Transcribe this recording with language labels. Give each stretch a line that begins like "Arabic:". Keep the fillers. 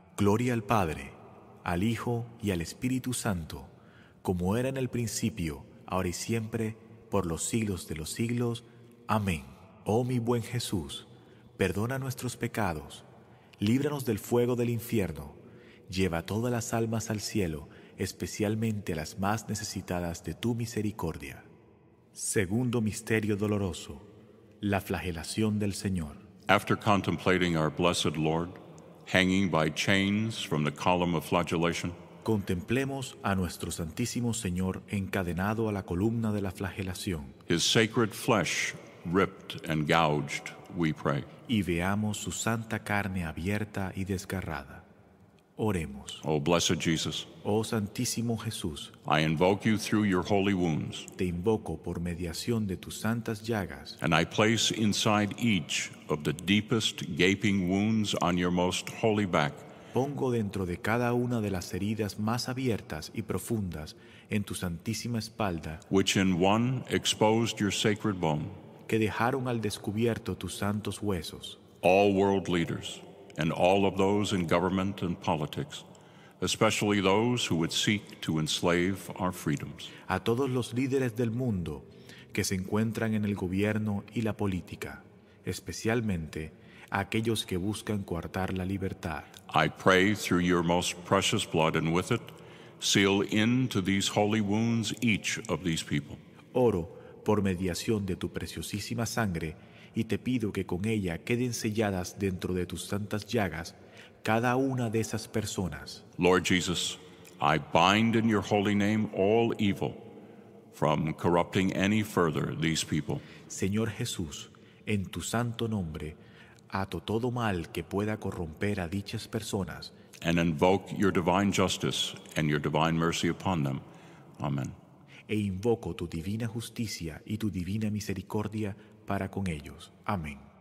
Spanish: Gloria al Padre, al Hijo y al Espíritu Santo, como era en el principio, ahora y siempre, por los siglos de los siglos. Amén. Oh mi buen Jesús, perdona nuestros pecados, líbranos del fuego del infierno, lleva todas las almas al cielo, especialmente a las más necesitadas de tu misericordia. Segundo misterio doloroso, la flagelación del Señor.
English: After contemplating our blessed Lord, hanging by chains from the column of flagellation,
Spanish: Contemplemos a nuestro Santísimo Señor encadenado a la columna de la flagelación.
English: His sacred flesh ripped and gouged, we pray.
Spanish: Y veamos su santa carne abierta y desgarrada. Oremos.
English: Oh, blessed Jesus.
Spanish: Oh, Santísimo Jesús.
English: I invoke you through your holy wounds.
Spanish: Te invoco por mediación de tus santas llagas.
English: And I place inside each of the deepest gaping wounds on your most holy back
Spanish: pongo dentro de cada una de las heridas más abiertas y profundas en tu santísima espalda,
English: Which in one your bone,
Spanish: que dejaron al descubierto tus santos huesos. A todos los líderes del mundo que se encuentran en el gobierno y la política, especialmente aquellos que buscan coartar la libertad.
English: I pray through your most precious blood and with it seal into these holy wounds each of these people.
Spanish: Oro por mediación de tu preciosísima sangre y te pido que con ella queden selladas dentro de tus santas llagas cada una de esas personas.
English: Lord Jesus, I bind in your holy name all evil from corrupting any further these people.
Spanish: Señor Jesús, en tu santo nombre, ato todo mal que pueda corromper a dichas personas.
English: And
Spanish: E invoco tu divina justicia y tu divina misericordia para con ellos. Amén.